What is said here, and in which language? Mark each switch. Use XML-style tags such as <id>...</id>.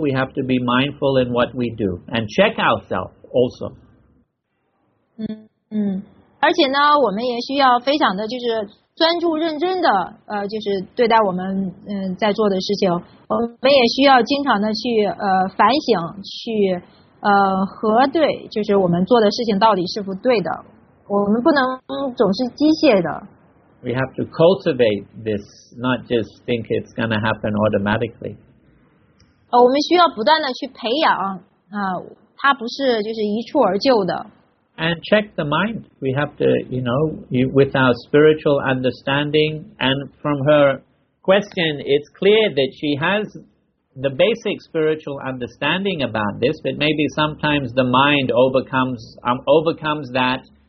<en>We have to be mindful in what we do and check ourselves also.</en> <zh>而且呢，我们也需要非常的就是。专注认真的就是对待我们在做的事情，我们也需要经常的去反省，去核对，就是我们做的事情到底是否对的。我们不能总是机械的。</zh> <en>We have to cultivate this, not just think it's going to happen automatically.</en> <zh>我们需要不断的去培养它不是就是一蹴而就的。</zh> <en>And check the mind. We have to, you know, with our spiritual understanding. And from her question, it's clear that she has the basic spiritual understanding about this. But maybe sometimes the mind overcomes that.</en>